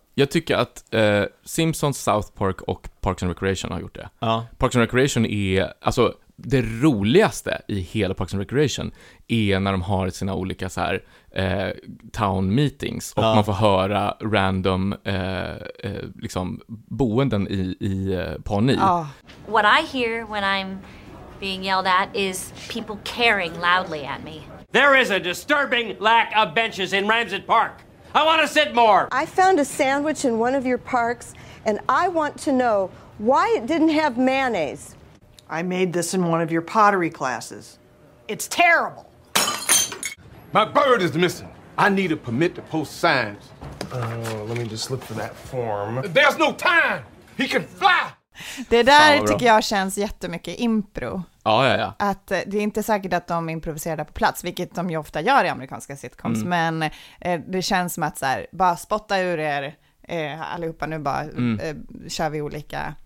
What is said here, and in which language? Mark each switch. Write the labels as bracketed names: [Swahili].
[Swedish] Jag tycker att Simpsons, South Park och Parks and Recreation har gjort det. Parks and Recreation är... alltså, det roligaste i hela Parks and Recreation är när de har sina olika så här town meetings och man får höra random liksom boenden i Pawnee. [English] What I hear when I'm being yelled at is people caring loudly at me. There is a disturbing lack of benches in Ramsett Park. I want to sit more. I found a sandwich in one of your parks and I want to know why it didn't have mayonnaise. I made this in one of your pottery classes. It's terrible. My bird is missing. I need a permit to post signs. Let me just look for that form. There's no time. He can fly. [Swedish] Det där tycker jag känns jättemycket impro. Ja. Att det är inte säkert att de improviserade på plats, vilket de ju ofta gör i amerikanska sitcoms, men det känns som att så här, bara spotta ur er allihopa nu bara kör vi olika.